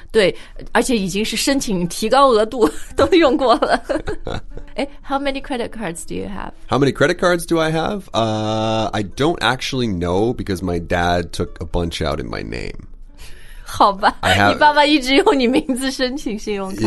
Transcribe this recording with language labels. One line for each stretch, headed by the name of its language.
Chinese: 对而且已经是申请提高额度都用过了。
English: 诶 how many credit cards do you have? How many credit cards do I have? I don't actually know because my dad took a bunch out in my name.
Chinese: 好吧，你爸爸一直用你名字申请信用卡。